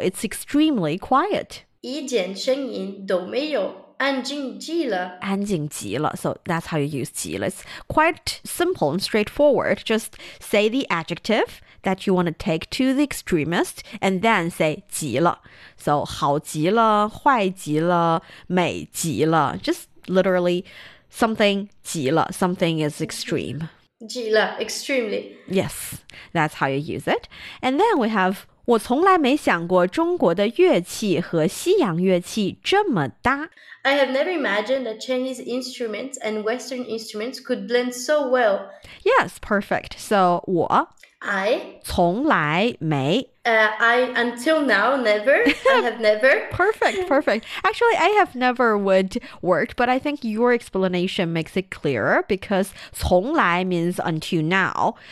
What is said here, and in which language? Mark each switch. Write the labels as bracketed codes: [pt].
[en] It's extremely quiet. [zh] 一点声音都没有。安静极了。安静极了。 [en] So that's how you use [zh] 极了。 [en] It's quite simple and straightforward. Just say the adjective that you want to take to the extremist and then say [zh] 极了。 So 好极了、坏极了、美极了。 [en] Just literally something [zh] 极了。 [en] Something is extreme. [zh] 极了 [en] extremely. Yes, that's how you use it. And then we have... [zh] 我从来没想过中国的乐器和西洋乐器这么搭。 [en] I have never imagined that Chinese instruments and Western instruments could blend so well. Yes, perfect. So, 我 I [zh] 从来没 [en] I until now never. I have never. Perfect, perfect. Actually, I have never would work, but I think your explanation makes it clearer because 从来 means until now.